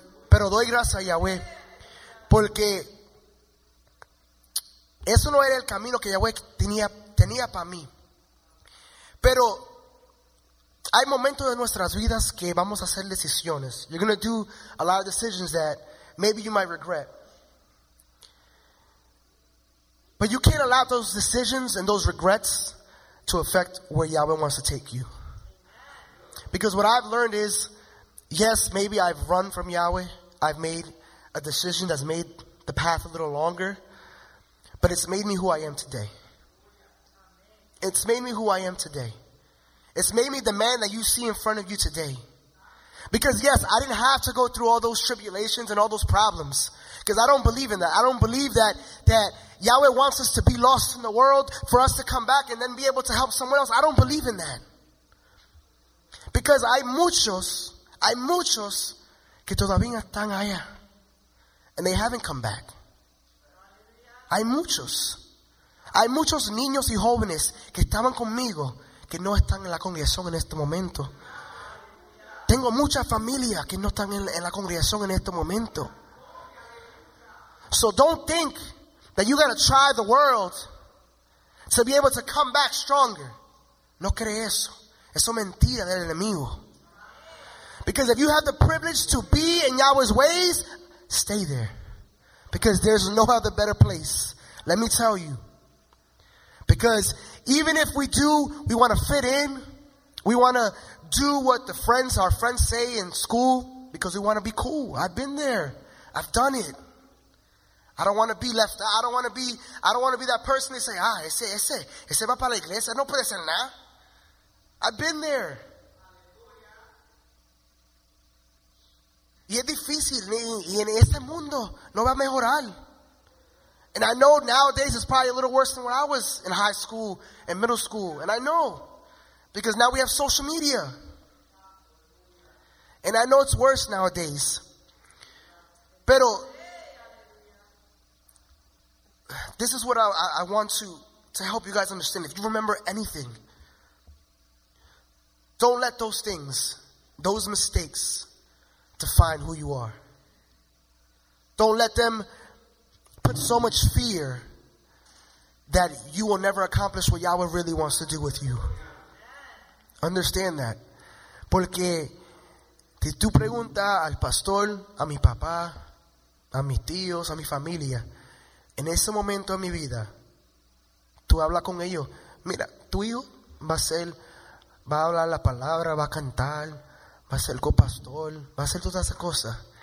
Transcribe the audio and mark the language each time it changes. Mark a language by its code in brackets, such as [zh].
[es] Pero doy gracias a Yahweh, porque eso no era el camino que Yahweh tenía para mí. Pero hay momentos de nuestras vidas que vamos a hacer decisiones. [en] You're going to do a lot of decisions that maybe you might regret. But you can't allow those decisions and those regrets to affect where Yahweh wants to take you. Because what I've learned is, yes, maybe I've run from Yahweh. I've made a decision that's made the path a little longer. But it's made me who I am today. It's made me the man that you see in front of you today. Because yes, I didn't have to go through all those tribulations and all those problems. Because I don't believe in that. I don't believe that Yahweh wants us to be lost in the world for us to come back and then be able to help someone else. I don't believe in that. [es] Because hay muchos que todavía están allá. [en] And they haven't come back. [es] Hay muchos niños y jóvenes que estaban conmigo que no están en la congregación en este momento. Tengo muchas familias que no están en la congregación en este momento. [en] So don't think that you gotta try the world to be able to come back stronger. [es] No cree eso. Eso es mentira del enemigo. [en] Because if you have the privilege to be in Yahweh's ways, stay there. Because there's no other better place. Let me tell you. Because even if we do, we want to fit in. We want to do what our friends say in school because we want to be cool. I've been there. I've done it. I don't want to be left out. I don't want to be that person to say, [es] ese va para la iglesia. No puede ser nada. [en] I've been there. [es] Y es difícil. Y en este mundo no va a mejorar. [en] And I know nowadays it's probably a little worse than when I was in high school and middle school. And I know. Because now we have social media. And I know it's worse nowadays. Pero this is what I want to help you guys understand. If you remember anything, don't let those things, those mistakes, define who you are. Don't let them put so much fear that you will never accomplish what Yahweh really wants to do with you. Understand that. [es] Porque si tú preguntas al pastor, a mi papá, a mis tíos, a mi familia, en ese momento de mi vida, tú hablas con ellos, mira, tu hijo va a hablar la palabra, va a cantar, va a ser copastor, va a hacer todas esas cosas.